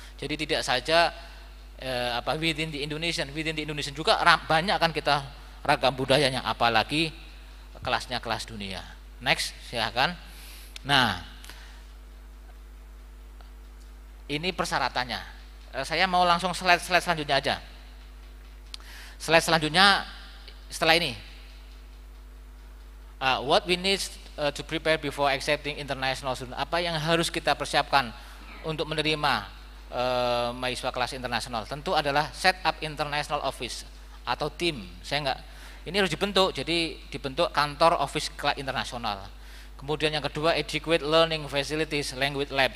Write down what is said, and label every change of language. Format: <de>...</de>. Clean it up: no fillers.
<id>Jadi tidak saja</id> <en>within the Indonesian</en> <id>juga banyak kan kita ragam budayanya, apalagi kelasnya kelas dunia. Next, silakan. Nah, ini persyaratannya. Saya mau langsung slide selanjutnya aja. Slide selanjutnya setelah ini.</id> <en>What we need to prepare before accepting international student.</en> <id>Apa yang harus kita persiapkan untuk menerima mahasiswa kelas internasional? Tentu adalah set up international office atau tim. Ini harus dibentuk. Jadi dibentuk kantor office kelas internasional. Kemudian yang kedua,</id> <en>adequate learning facilities, language lab.</en>